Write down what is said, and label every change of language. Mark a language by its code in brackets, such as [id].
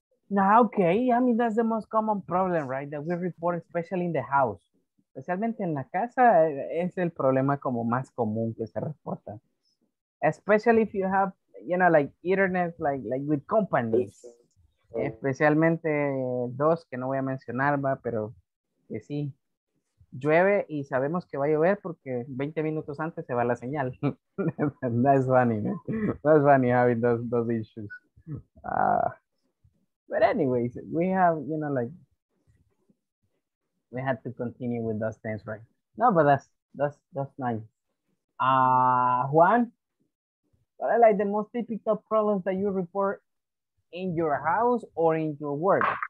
[en] No, okay, I mean, that's the most common problem, right? That we report, especially in the house. [es] Especialmente en la casa, es el problema como más común que se reporta. [en] Especially if you have, you know, like internet, like with companies. [es] Especialmente dos que no voy a mencionar, va, pero que sí. Llueve y sabemos que va a llover porque 20 minutos antes se va la señal. [en] That's funny, man. That's funny having those issues. But anyways, we have, you know, like, we had to continue with those things, right? No, but that's nice. Juan, what are like the most typical problems that you report in your house or in your work?